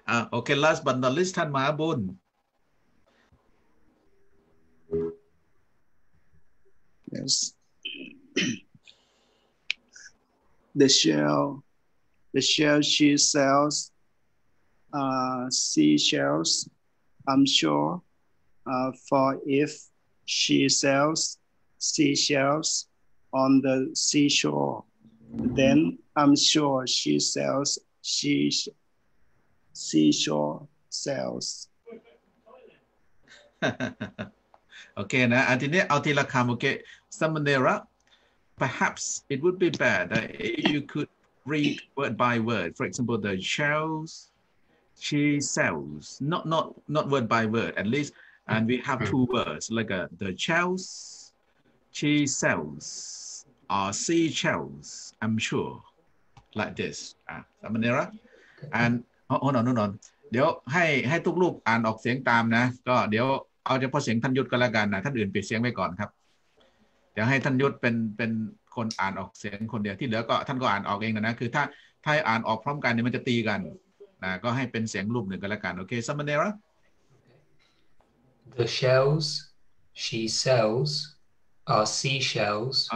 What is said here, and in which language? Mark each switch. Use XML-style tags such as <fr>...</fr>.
<th>โอเค</th> <en>last but not least</en> <th>ท่านมาบุญ</th> <en>Yes the shell she sells seashells I'm sure for if she sells seashells on the seashore then I'm sure she sellsseashore sales</en> <th>โอเคนะอันที่นี้เอาทีละคำโอเค</th> <en>Samanera perhaps it would be bad that you could read word by word for example the shells she sells not word by word at least and we have two words like the shells she sells or seashells I'm sureLike this, Samanera. And hold on.</en> <th>เดี๋ยวให้ทุกลูกอ่านออกเสียงตามนะก็เดี๋ยวเอาเฉพาะเสียงท่านยุทธก็แล้วกันนะท่านอื่นปิดเสียงไว้ก่อนครับเดี๋ยวให้ท่านยุทธเป็นคนอ่านออกเสียงคนเดียวที่เหลือก็ท่านก็อ่านออกเองนะคือถ้าอ่านออกพร้อมกันเนี่ยมันจะตีกันนะก็ให้เป็นเสียงรูปหนึ่งก็แล้วกันโอเค Samanera.</th> <en>The shells she sells are seashells.</en>